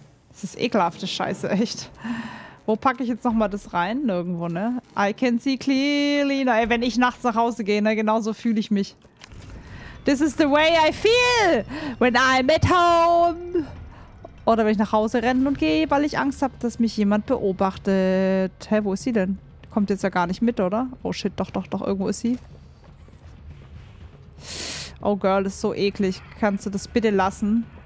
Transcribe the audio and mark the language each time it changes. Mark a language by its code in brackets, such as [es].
[de] Das ist ekelhafte Scheiße, echt. Wo packe ich jetzt nochmal das rein? Nirgendwo, ne? [en] I can see clearly. [de] Na, ey, wenn ich nachts nach Hause gehe, ne? Genauso fühle ich mich. [en] This is the way I feel when I'm at home. [de] Oder wenn ich nach Hause renne und gehe, weil ich Angst habe, dass mich jemand beobachtet. Hä, wo ist sie denn? Kommt jetzt ja gar nicht mit, oder? Oh shit, doch, doch, doch. Irgendwo ist sie. Oh Girl, das ist so eklig. Kannst du das bitte lassen?